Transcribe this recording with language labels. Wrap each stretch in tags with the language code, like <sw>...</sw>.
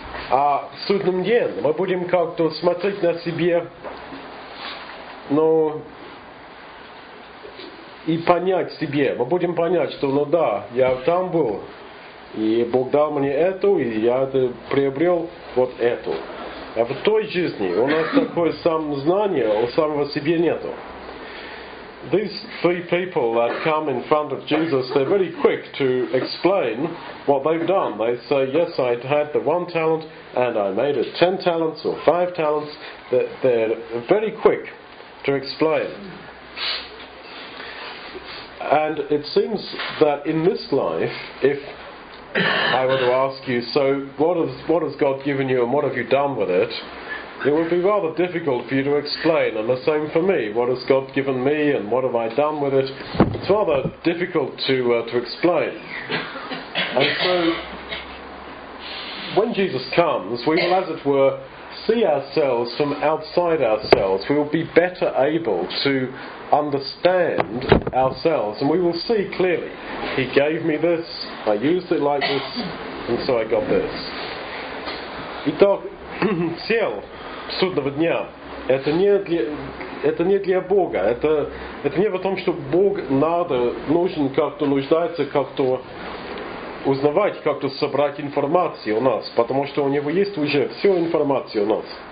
<ru>А в судном день мы будем как-то смотреть на себе, ну, и понять себе, мы будем понять, что ну да, я там был, и Бог дал мне эту, и я приобрел вот эту. А в той жизни у нас такое самознание у самого себе нету.</ru> <en>These three people that come in front of Jesus, they're very quick to explain what they've done. They say, yes, I had the one talent, and I made it 10 talents or 5 talents. They're very quick to explain. And it seems that in this life, if I were to ask you, so what has God given you and what have you done with it? It would be rather difficult for you to explain, and the same for me. What has God given me and what have I done with it? It's rather difficult to explain. And so, when Jesus comes, we will, as it were, see ourselves from outside ourselves. We will be better able to understand ourselves, and we will see clearly. He gave me this, I used it like this, and so I got this.</en> <ru>Итак, цель судного дня это не для Бога. Это не в том, что Бог надо, нужен, как-то нуждается, как-то узнавать, как-то собрать информацию у нас, потому что у него есть уже всю информацию у нас.</ru>